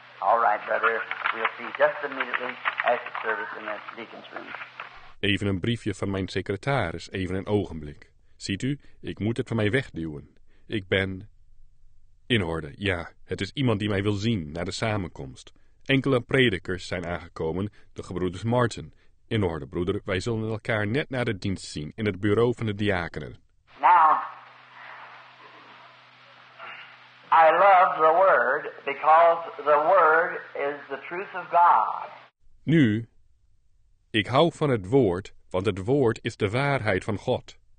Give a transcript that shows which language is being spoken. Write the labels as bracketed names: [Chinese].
[English] All right, brother, we'll see just immediately at the service in the deacon's room. [Dutch] Even een briefje van mijn secretaris, even een ogenblik. Ziet u, ik moet het van mij wegduwen. Ik ben... in orde, ja, het is iemand die mij wil zien na de samenkomst. Enkele predikers zijn aangekomen, de gebroeders Martin. In orde, broeder, wij zullen elkaar net na de dienst zien in het bureau van de diakenen. [English] Now, I love the word, because the word is the truth of God. [Dutch] Nu... ik hou van het woord, want het woord is de waarheid van God.